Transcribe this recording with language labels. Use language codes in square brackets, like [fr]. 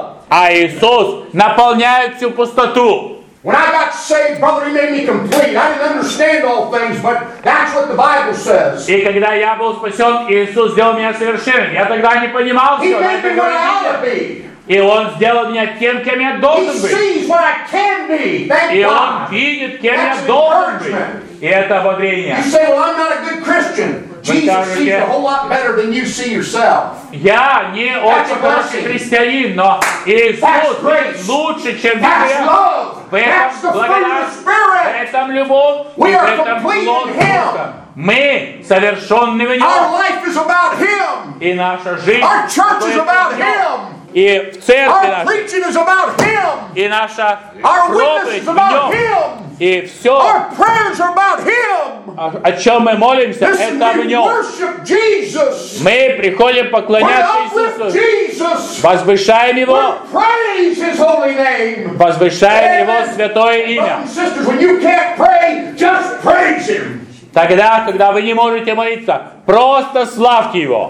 [ru] А Иисус наполняет всю пустоту. [en] When I got saved, brother, he made me complete. I didn't understand all things, but that's what the Bible says. [ru] И когда я был спасен, Иисус сделал меня совершенным. Я тогда не понимал все. [en] He made me what I ought to be. [ru] И он сделал меня тем, кем я должен быть. [en] He sees what I can be. Thank [ru] И он видит, кем [en] that's [ru] я должен быть. И это ободрение. [en] You say, well, I'm not a good Christian. Jesus sees a whole lot better than you see yourself. [ru] Я не очень хороший христианин, но Иисус лучше, чем ты. [en] That's love. [ru] В этом любовь, в этом плод. Мы совершенны в Нем. [en] Our life is about Him. [ru] И наша жизнь. [en] Our church is about Him. [ru] И в церкви наша. [en] Our preaching is about Him. [ru] И наша. [en] Our witness is about Him. [ru] И все. [en] Our prayers are about Him. [ru] О чем мы молимся? Это в Нем. [en] We worship Jesus. [ru] Мы приходим поклоняться Иисусу. [en] Jesus. [ru] Возвышаем Его. [en] We praise His holy name. [ru] Возвышаем Его святое имя. [en] Sisters, when you can't pray, just praise Him. [ru] Тогда, когда вы не можете молиться, просто славьте Его.